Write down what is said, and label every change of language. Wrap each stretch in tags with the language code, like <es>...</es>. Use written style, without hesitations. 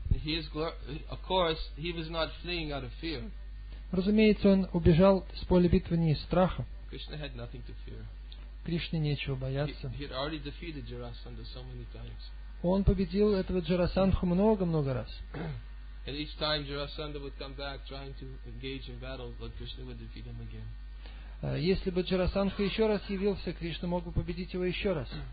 <en>He is of course, he was not fleeing out of fear.</en> <ru>Разумеется, он убежал с поля битвы не из страха.</ru> <en>Krishna had nothing to fear.</en> <ru>Кришне нечего бояться.</ru> <en>He had already defeated Jarasandha so many times.</en> <ru>Он победил этого Джарасандху много-много раз.</ru> <en>And each time Jarasandha would come back trying to engage in battle, Lord Krishna would defeat him again.</en> <ru>Если бы Джарасандха еще раз явился, Кришна мог бы победить его еще раз.</ru>